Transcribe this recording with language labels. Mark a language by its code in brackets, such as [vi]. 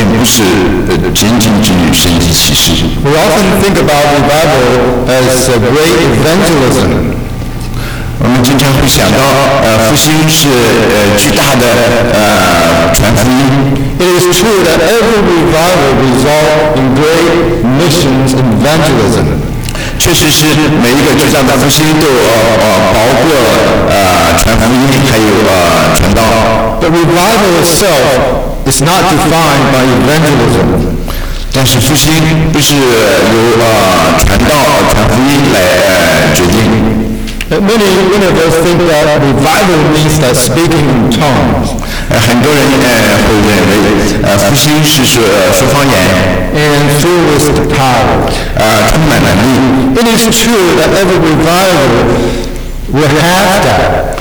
[zh] 确实，每一个复兴都有神迹奇事，但是复兴并不是仅仅只有神迹奇事。 [en] We often think about revival as a great evangelism. [zh] 我们经常会想到，复兴是巨大的传福音。 [en] It is true that every revival results in great missions and evangelism. [zh] 确实是每一个巨大的复兴都包括传福音，还有传道。 [en] The revival itself is not defined by evangelism. [zh] 但是复兴不是由传道、传福音来决定。 [en] Many of us think that revival means that speaking in tongues. [zh] 很多人会认为复兴是说方言。 [en] And filled with the power. [zh] 充满能力。 [en] It is true that every revival will have that.